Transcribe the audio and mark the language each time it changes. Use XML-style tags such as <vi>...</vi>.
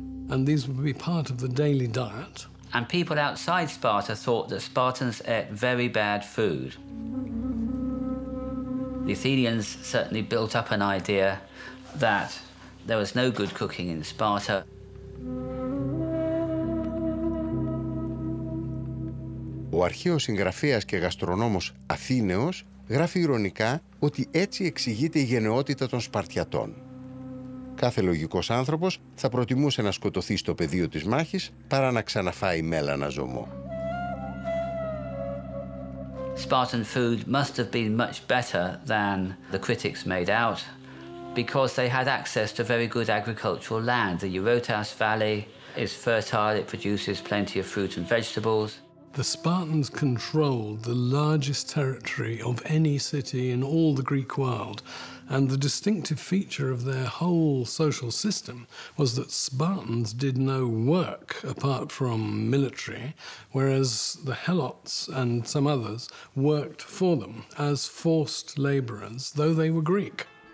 <en>And these would be part of the daily diet. And people outside Sparta thought that Spartans ate very bad food. The Athenians certainly built up an idea that there was no good cooking in Sparta.</en> <el>Ο αρχαίος συγγραφέας και γαστρονόμος Αθήναιος γράφει ηρωνικά ότι έτσι εξηγείται η γενναιότητα των Σπαρτιατών. Κάθε λογικός άνθρωπος θα προτιμούσε να σκοτωθεί στο πεδίο της μάχης παρά να ξαναφάει μέλανα ζωμό.</el> <en>Spartan food must have been much better than the critics made out, because they had access to very good agricultural land. The Eurotas Valley is fertile, it produces plenty of fruit and vegetables. The Spartans controlled the largest territory of any city in all the Greek world, and the distinctive feature of their whole social system was that Spartans did no work apart from military, whereas the Helots and some others worked for them as forced laborers, though they were Greek.</en>